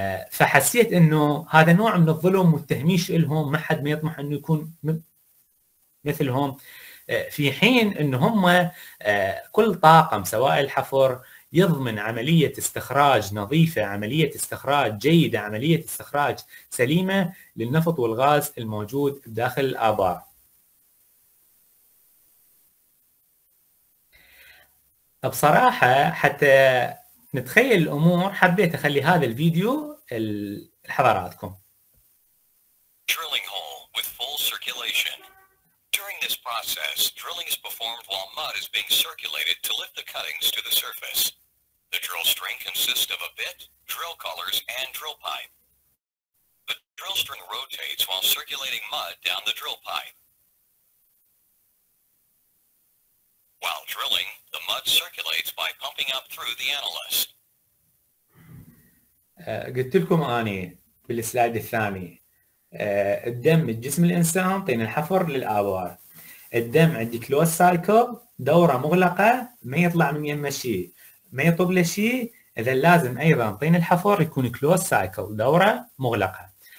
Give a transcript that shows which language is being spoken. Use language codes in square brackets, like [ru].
[ar] فحسيت انه هذا نوع من الظلم والتهميش لهم، ما حد ما يطمح انه يكون مثلهم، في حين انه هم كل طاقم سواء الحفر يضمن عمليه استخراج نظيفه، عمليه استخراج جيده، عمليه استخراج سليمه للنفط والغاز الموجود داخل الابار. بصراحة حتى نتخيل الأمور، حبيت أخلي هذا الفيديو لحضراتكم. [en] Drilling hole with full circulation. During this process, drilling is performed while mud is being circulated to lift the cuttings to the surface. The drill string consists of a bit, drill collars, and drill pipe. The drill string rotates while circulating mud down the drill pipe. While drilling, the mud circulates by pumping up through the annulus. [ar] قلت لكم اني بالسلايد الثاني، الدم من جسم الانسان طين الحفر للابار. الدم عندي كلوز سايكل دوره مغلقه ما يطلع من يمه شيء ما يطب له شيء اذا لازم ايضا طين الحفر يكون كلوز سايكل دوره مغلقه.